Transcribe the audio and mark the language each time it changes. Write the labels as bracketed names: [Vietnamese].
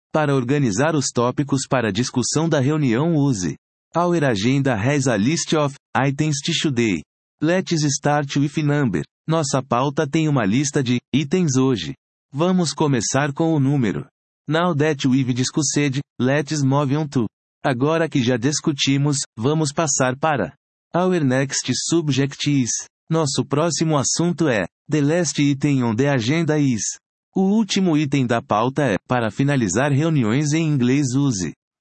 [Portuguese] Para organizar os tópicos para a discussão da reunião, use. [English] Our agenda has a list of items to today. Let's start with number. [Portuguese] Nossa pauta tem uma lista de itens hoje. Vamos começar com o número. [English] Now that we've discussed, let's move on to. [Portuguese] Agora que já discutimos, vamos passar para. [English] Our next subject is. [Portuguese] Nosso próximo assunto é. [English] The last item on the agenda is. [Portuguese] O último item da pauta é. Para finalizar reuniões em inglês, use.